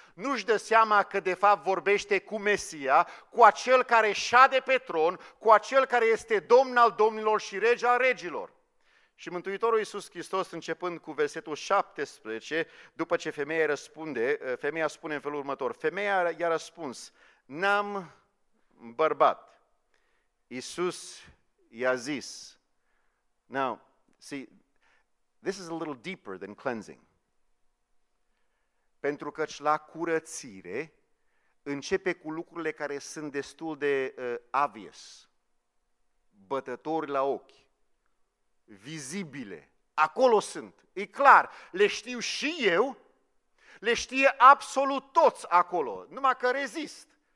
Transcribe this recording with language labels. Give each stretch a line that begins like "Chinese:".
Romanian: Nu-și dă seama că de fapt vorbește cu Mesia, cu acel care șade pe tron, cu acel care este Domn al domnilor și Rege al regilor. Și Mântuitorul Iisus Hristos, începând cu versetul 17, după ce femeia răspunde, femeia spune în felul următor, femeia i-a răspuns, n-am bărbat. Iisus i-a zis.
English: Now, see, this is a little deeper than cleansing.
Romanian: Pentru că la curățire începe cu lucrurile care sunt destul de
English: obvious,
Romanian: bătători la ochi, vizibile. Acolo sunt, e clar, le știu și eu, le știe absolut toți acolo, numai că rezist.